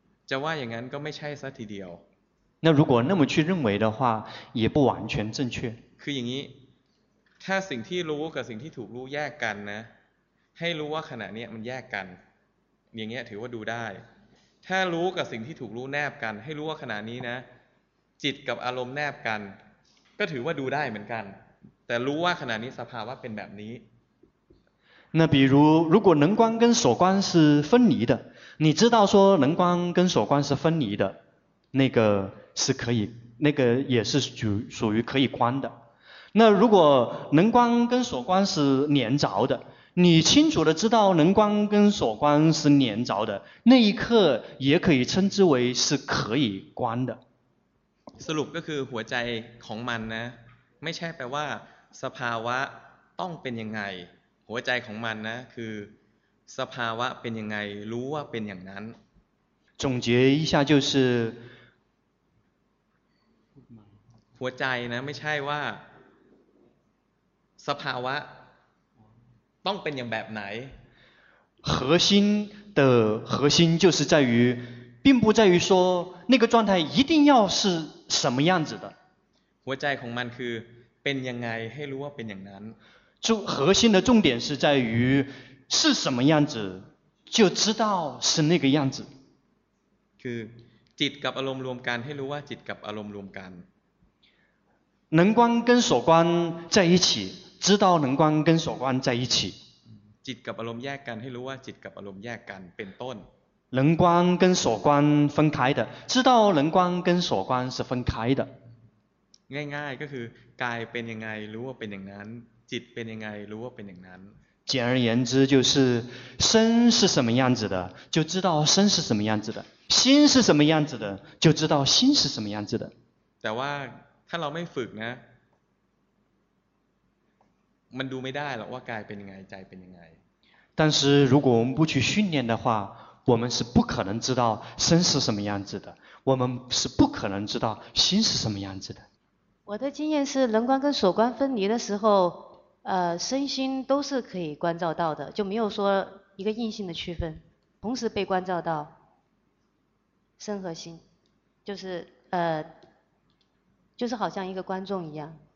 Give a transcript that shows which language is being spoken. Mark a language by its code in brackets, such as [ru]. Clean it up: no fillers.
[th] จะว่าอย่างนั้นก็ไม่ใช่ซะทีเดียว [zh] 那如果那么去认为的话也不完全正确 [th] คืออย่างนี้ถ้าสิ่งที่รู้กับสิ่งที่ถูกรู้แยกกันนะให้รู้ว่าขณะนี้มันแยกกันอย่างเงี้ยถือว่าดูได้ถ้ารู้กับสิ่งที่ถูกรู้แนบกันให้รู้ว่าขณะนี้นะจิตกับอารมณ์แนบกันก็ถือว่าดูได้เหมือนกันแต่รู้ว่าขณะนี้สภาวะเป็นแบบนี้ [zh] 那比如如果能观跟所观是分离的你知道说能观跟所观是分离的那个是可以那个也是属于可以观的那如果能观跟所观是连着的你清楚的知道能观跟所观是连着的，那一刻也可以称之为是可以观的。 [th] สรุปก็คือหัวใจของมันนะไม่ใช่แปลว่าสภาวะต้องเป็นยังไงหัวใจของมันนะคือสภาวะเป็นยังไงรู้ว่าเป็นอย่างนั้น [zh] 总结一下就是 [th] หัวใจนะไม่ใช่ว่าสภาวะต้องเป็นอย่างแบบไหน [zh] 核心的核心就是在于并不在于说那个状态一定要是什么样子的 [th] หัวใจของมันคือเป็นยังไงให้รู้ว่าเป็นอย่างนั้น [zh] 就核心的重点是在于是什么样子就知道是那个样子 [th] คือจิตกับอารมณ์รวมกันให้รู้ว่าจิตกับอารมณ์รวมกัน [zh] 能观跟所观在一起知道能观跟所观在一起 [th] จิตกับอารมณ์แยกกันให้รู้ว่าจิตกับอารมณ์แยกกันเป็นต้น [zh] 能观跟所观分开的知道能观跟所观是分开的 [th] ง่ายๆก็คือกายเป็นยังไงรู้ว่าเป็นอย่างนั้นจิตเป็นยังไงรู้ว่าเป็นอย่างนั้น [zh] 简而言之就是身是什么样子的就知道身是什么样子的心是什么样子的就知道心是什么样子的 [th] แต่ว่าถ้าเราไม่ฝึกนะมันดูไม่ได้หรอกว่ากายเป็นยังไงใจเป็นยังไง [zh] 但是如果我们不去训练的话我们是不可能知道身是什么样子的我们是不可能知道心是什么样子的我的经验是能观跟所观分离的时候身心都是可以观照到的就没有说一个硬性的区分同时被观照到身和心就是就是好像一个观众一样